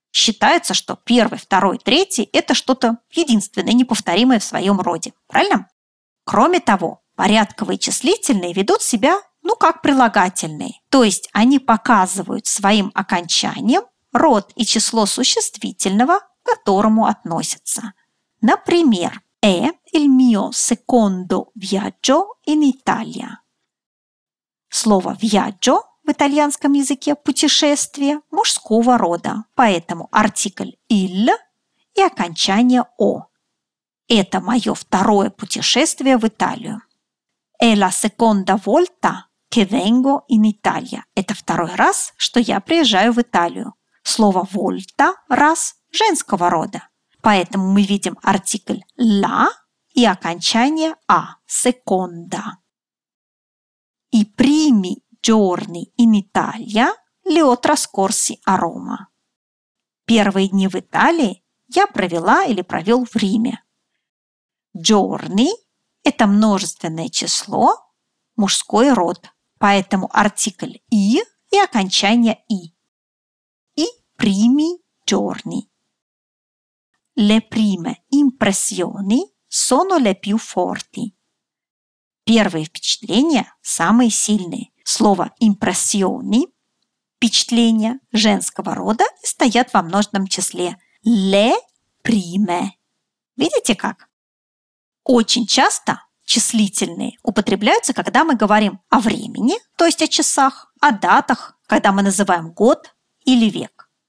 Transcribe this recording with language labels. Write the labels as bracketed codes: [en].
[ru] Считается, что первый, второй, третий – это что-то единственное, неповторимое в своем роде. Правильно? Кроме того, порядковые числительные ведут себя, ну, как прилагательные. То есть они показывают своим окончанием род и число существительного, к которому относятся. Например, [it] «è il mio secondo viaggio in Italia». [ru] Слово «viaggio» в итальянском языке – путешествие мужского рода, поэтому артикль «il» и окончание «o». Это мое второе путешествие в Италию. [it] «È la seconda volta che vengo in Italia». [ru] Это второй раз, что я приезжаю в Италию. Слово «volta» – «раз» женского рода. Поэтому мы видим артикль «la» и окончание «a» – «seconda». [it] «I primi giorni in Italia li ho trascorsi a Roma». [ru] Первые дни в Италии я провела или провел в Риме. «Giorni» – это множественное число, мужской род. Поэтому артикль «i» и окончание «i». [it] «I primi giorni». «Le prime impressioni sono le più forti». [ru] Первые впечатления – самые сильные. Слово «impressioni» – впечатления женского рода – стоят во множественном числе. [it] «Le prime». [ru] Видите как? Очень часто числительные употребляются, когда мы говорим о времени, то есть о часах, о датах, когда мы называем год или век.